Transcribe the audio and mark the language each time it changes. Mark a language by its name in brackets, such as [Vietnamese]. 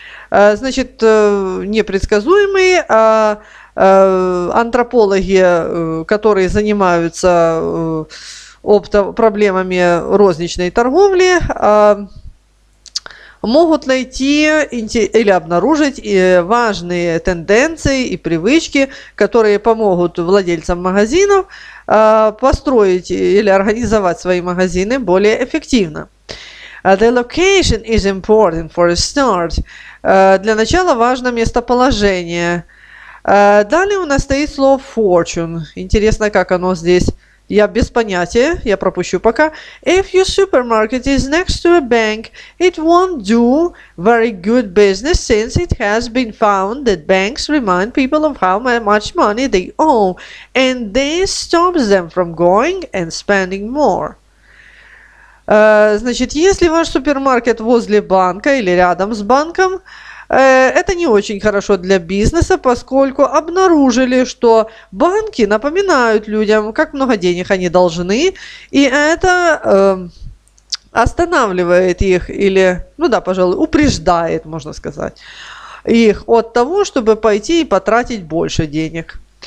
[Russian] Значит, непредсказуемый, а антропологи, которые занимаются проблемами розничной торговли, могут найти или обнаружить важные тенденции и привычки, которые помогут владельцам магазинов построить или организовать свои магазины более эффективно. [English] The location is important for a start. [Russian] Для начала важно местоположение. Далее у нас стоит слово fortune. Интересно, как оно здесь. Я без понятия, я пропущу пока. [English] If your supermarket is next to a bank, it won't do very good business since it has been found that banks remind people of how much money they owe and this stops them from going and spending more. [Russian] Значит, если ваш супермаркет возле банка или рядом с банком, это не очень хорошо для бизнеса, поскольку обнаружили, что банки напоминают людям, как много денег они должны, и это останавливает их или, пожалуй, упреждает, можно сказать, их от того, чтобы пойти и потратить больше денег.